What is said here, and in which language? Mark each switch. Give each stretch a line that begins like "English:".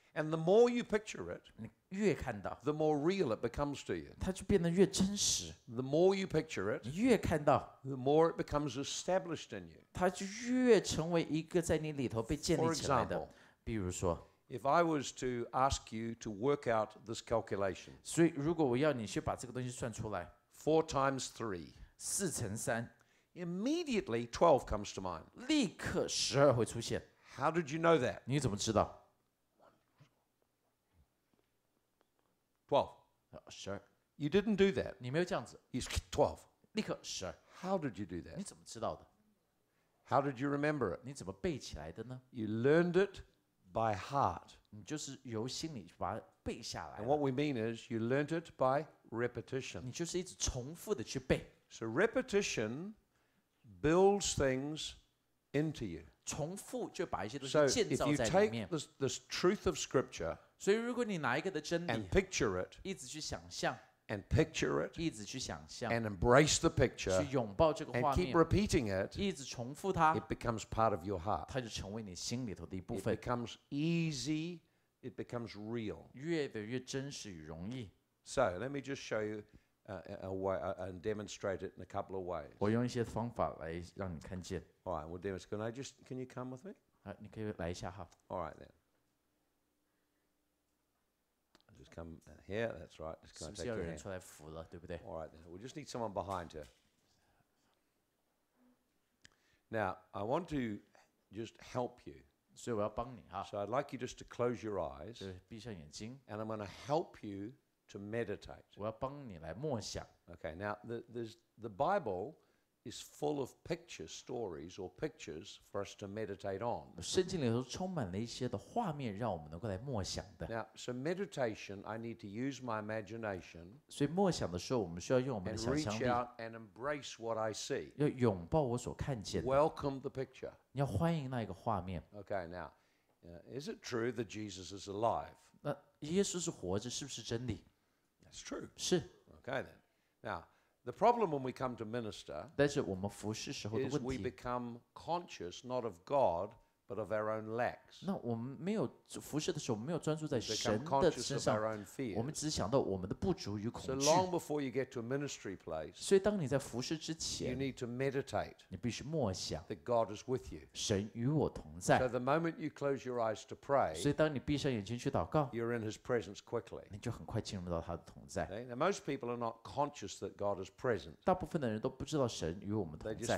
English: And the more you picture it,
Chinese: 你越看到。
English: The more real it becomes to you.
Chinese: 它就变得越真实。
English: The more you picture it,
Chinese: 你越看到。
English: The more it becomes established in you.
Chinese: 它就越成为一个在你里头被建立起来的。
English: For example,
Chinese: 比如说。
English: If I was to ask you to work out this calculation,
Chinese: 所以如果我要你去把这个东西算出来
English: ，4 × 3，
Chinese: 四乘三
English: ，immediately 12 comes to mind.
Chinese: 立刻十二会出现。
English: How did you know that?
Chinese: 你怎么知道
English: ？12，
Chinese: 十二。
English: You didn't do that.
Chinese: 你没有这样子。
English: It's 12.
Chinese: 立刻十二。
English: How did you do that?
Chinese: 你怎么知道的
English: ？How did you remember it?
Chinese: 你怎么背起来的呢
English: ？You learned it. By heart,
Chinese: 你就是由心里把它背下来。
English: And what we mean is, you learnt it by repetition.
Chinese: 你就是一直重复的去背。
English: So repetition builds things into you.
Chinese: 重复就把一些东西建造在里面。
English: So if you take this truth of scripture,
Chinese: 所以如果你拿一个的真理,
English: and picture it,
Chinese: 一直去想象,
English: and picture it,
Chinese: 一直去想象,
English: and embrace the picture,
Chinese: 去拥抱这个画面,
English: and keep repeating it,
Chinese: 一直重复它,
English: it becomes part of your heart.
Chinese: 它就成为你心里头的一部分。
English: It becomes easy, it becomes real.
Chinese: 越来越真实与容易。
English: So let me just show you a way, and demonstrate it in a couple of ways.
Chinese: 我用一些方法来让你看见。
English: All right, well, Dennis, can you come with me?
Chinese: 你可以来一下哈。
English: All right, then. Just come here, that's right. Just kind of take your hand.
Chinese: 是不是有人出来扶了，对不对？
English: All right, then. We just need someone behind her. Now, I want to just help you.
Chinese: 所以我要帮你哈。
English: So I'd like you just to close your eyes.
Chinese: 闭上眼睛。
English: And I'm going to help you to meditate.
Chinese: 我要帮你来默想。
English: Okay, now, the Bible is full of pictures, stories, or pictures for us to meditate on.
Chinese: 圣经里头充满了一些的画面，让我们能够来默想的。
English: Now, so meditation, I need to use my imagination.
Chinese: 所以默想的时候，我们需要用我们的想象力。
English: And reach out and embrace what I see.
Chinese: 要拥抱我所看见的。
English: Welcome the picture.
Chinese: 你要欢迎那一个画面。
English: Okay, now, is it true that Jesus is alive?
Chinese: 那耶稣是活着，是不是真理？
English: That's true.
Chinese: 是。
English: Okay then, now. The problem when we come to minister is we become conscious not of God but of our own lacks.
Chinese: 那我们没有服事的时候，没有专注在神的身上。我们只想到我们的不足与恐惧。
English: So long before you get to a ministry place,
Chinese: 所以当你在服事之前，
English: you need to meditate.
Chinese: 你必须默想。
English: That God is with you.
Chinese: 神与我同在。
English: So the moment you close your eyes to pray,
Chinese: 所以当你闭上眼睛去祷告，
English: you're in His presence quickly.
Chinese: 你就很快进入到他的同在。
English: Now most people are not conscious that God is present.
Chinese: 大部分的人都不知道神与我们同在。